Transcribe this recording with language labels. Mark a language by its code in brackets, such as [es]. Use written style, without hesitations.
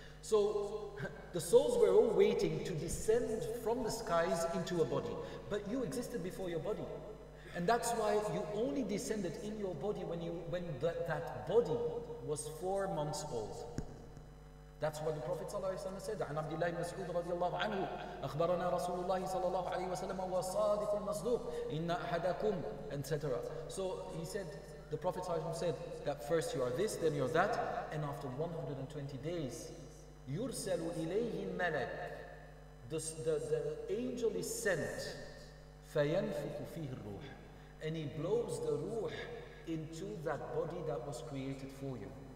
[en] So, the souls were all waiting to descend from the skies into a body. But you existed before your body. And that's why you only descended in your body when that body was 4 months old. That's what the Prophet ﷺ said. [ar] عن عبد الله بن مسعود رضي الله عنه أخبرنا رسول الله صلى الله عليه وسلم هو صادق المصدوق إن أحدكم etc. [en] So, he said, the Prophet ﷺ said that first you are this, then you're that, and after 120 days, [ar] يُرْسَلُ إِلَيْهِ الْمَلَكُ [en] the angel is sent, [ar] فَيَنْفُكُ فِيهِ الْرُوحِ, [en] and he blows the ruh into that body that was created for you.